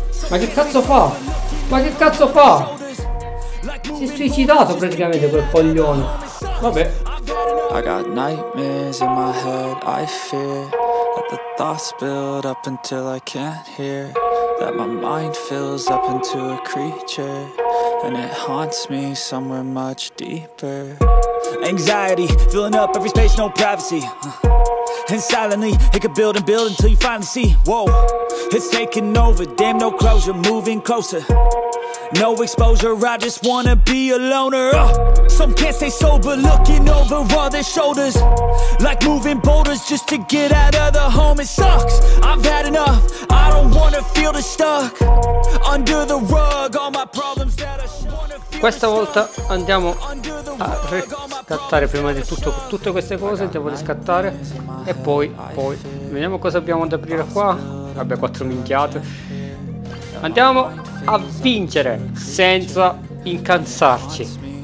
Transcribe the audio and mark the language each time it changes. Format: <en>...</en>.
<it>Ma che cazzo fa? Ma che cazzo fa? Si è suicidato praticamente quel coglione. Vabbè.</it> <en>I got nightmares in my head, I fear that the thoughts build up until I can't hear. That my mind fills up into a creature and it haunts me somewhere much deeper. Anxiety filling up every space, no privacy. And silently, it could build and build until you finally see. Whoa, it's taking over, damn no closure, moving closer. No exposure, I just wanna be a loner. Some can't stay sober, looking over all their shoulders. Like moving boulders just to get out of the home. It sucks, I've had enough, I don't wanna feel the stuck. Under the rug, all my problems that I should.</en> <it>Questa volta andiamo a riscattare prima di tutto tutte queste cose, andiamo a riscattare e poi vediamo cosa abbiamo da aprire qua. Vabbè, quattro minchiate. Andiamo a vincere senza incazzarci.</it>